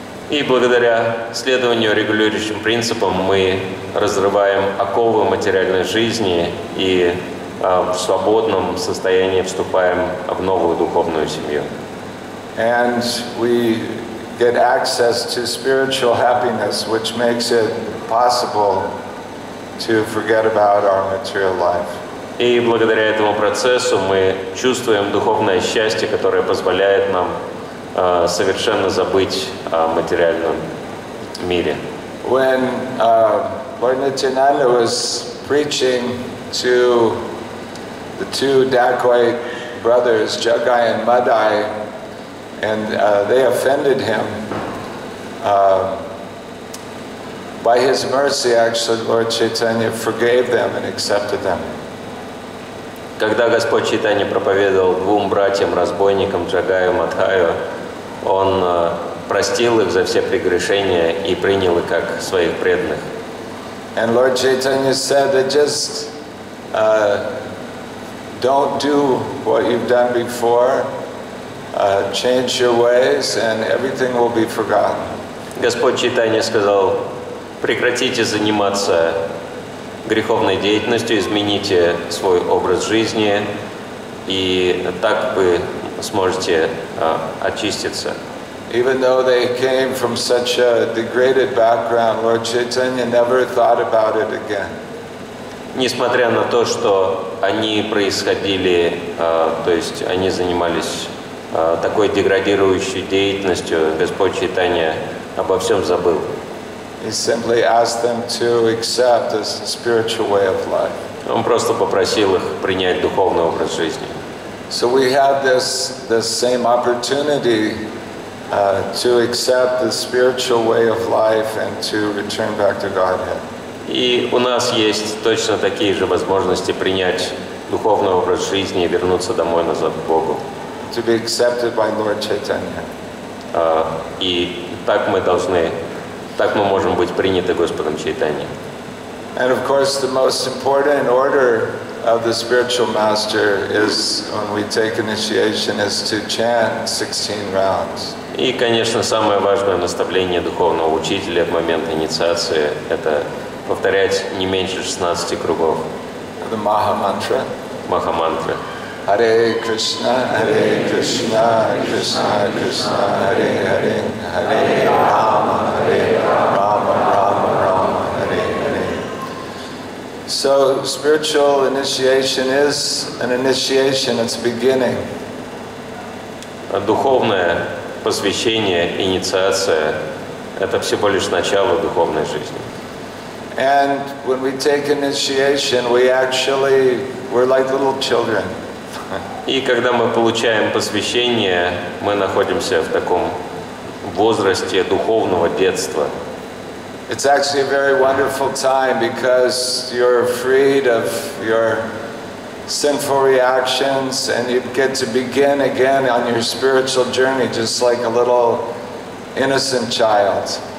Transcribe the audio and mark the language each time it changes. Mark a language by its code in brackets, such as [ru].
[ru] И благодаря следованию регулирующим принципам мы разрываем оковы материальной жизни и в свободном состоянии вступаем в новую духовную семью. [en] And we get access to spiritual happiness, which makes it possible to forget about our material life. [ru] И благодаря этому процессу мы чувствуем духовное счастье, которое позволяет нам совершенно забыть о материальном мире. [en] When Lord Nityananda was preaching to the two dacoit brothers, Jagai and Madai, and they offended him, by his mercy, actually, Lord Chaitanya forgave them and accepted them. [ru] Когда Господь Чайтанья проповедовал двум братьям-разбойникам Джагаю и Мадхаю, Он простил их за все прегрешения и принял их как своих преданных. [en] And Lord Chaitanya said that just don't do what you've done before, change your ways, and everything will be forgotten. [ru] Господь Чайтанья сказал, прекратите заниматься греховной деятельностью, измените свой образ жизни, и так вы сможете очиститься. [en] Even though they came from such a degraded background, Lord Chaitanya never thought about it again. [ru] Несмотря на то, что они происходили, то есть они занимались такой деградирующей деятельностью, Господь Чайтанья обо всем забыл. [en] He simply asked them to accept this spiritual way of life. [ru] Он просто попросил их принять духовный образ жизни. [en] So we have this same opportunity to accept the spiritual way of life and to return back to Godhead. [ru] И у нас есть точно такие же возможности принять духовный образ жизни и вернуться домой назад к Богу. [en] To be accepted by Lord Chaitanya. [ru] И так мы должны. Так мы можем быть приняты Господом Чайтанья. [en] And of course, the most important order of the spiritual master is when we take initiation is to chant 16 rounds. [ru] И, конечно, самое важное наставление духовного учителя в момент инициации – это повторять не меньше 16 кругов. [en] The Maha Mantra. Maha Mantra. [sa] Hare Krishna, Hare Krishna, Krishna Krishna, Hare Hare, Hare Rama, Hare Rama, Rama Rama, Hare Hare. [en] So spiritual initiation is an initiation, it's a beginning. [ru] Духовное посвящение, инициация – это всего лишь начало духовной жизни. [en] And when we take initiation, we actually, we're like little children. [ru] И когда мы получаем посвящение, мы находимся в таком возрасте духовного детства. [en] It's actually a very wonderful time because you're freed of your sinful reactions and you get to begin again on your spiritual journey just like a little innocent child.